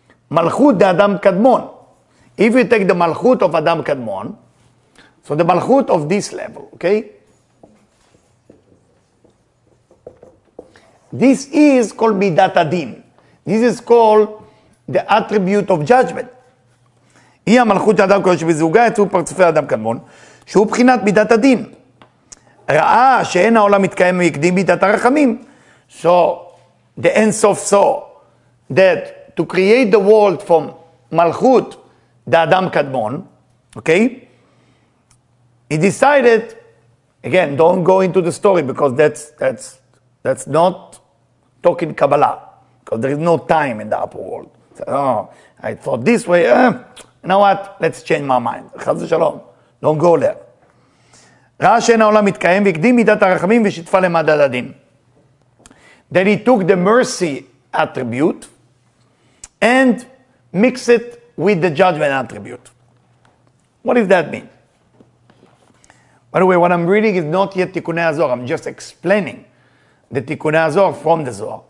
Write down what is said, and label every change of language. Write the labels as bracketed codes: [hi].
[en] Malchut de Adam Kadmon. If you take the Malchut of Adam Kadmon, so the Malchut of this level, okay? This is called Midat Adin. This is called the attribute of judgment. [he] היא המלכות של אדם קודש בזוגה, יצאו פרצופי אדם קדמון, שהוא בחינת מידת הדין. ראה שאין העולם מתקיים ויקדים מידת הרחמים. [en] So, the end of so, that to create the world from מלכות, the אדם קדמון, okay? He decided, again, don't go into the story, because that's not talking Kabbalah, because there is no time in the upper world. So, oh, I thought this way, You know what? Let's change my mind. [he] חז ושלום. [en] Don't go there. [he] ראה שאין העולם מתקיים, והקדים מידת הרחמים ושיתפה למדת הדין. [en] Then he took the mercy attribute and mixed it with the judgment attribute. What does that mean? By the way, what I'm reading is not yet תיקוני הזוהר. I'm just explaining the תיקוני הזוהר from the זוהר.